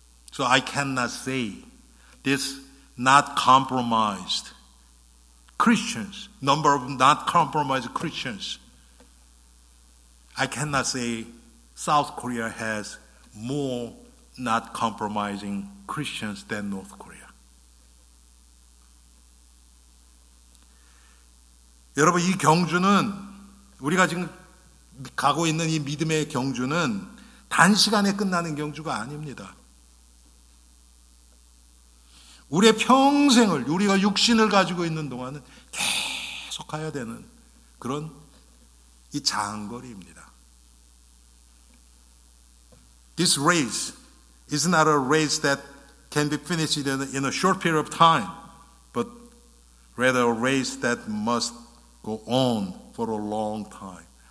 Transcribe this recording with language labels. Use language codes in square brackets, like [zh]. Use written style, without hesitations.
[en] So I cannot say this not compromised Christians, number of not compromised Christians, I cannot say South Korea has more not compromising Christians than North Korea. [ko] 여러분, 이 경주는 우리가 지금 가고 있는 이 믿음의 경주는 단시간에 끝나는 경주가 아닙니다. 우리의 평생을, 우리가 육신을 가지고 있는 동안은 계속 가야 되는 그런 이 장거리입니다. [en] This race is not a race that can be finished in a short period of time, but rather a race that must go on for a long time.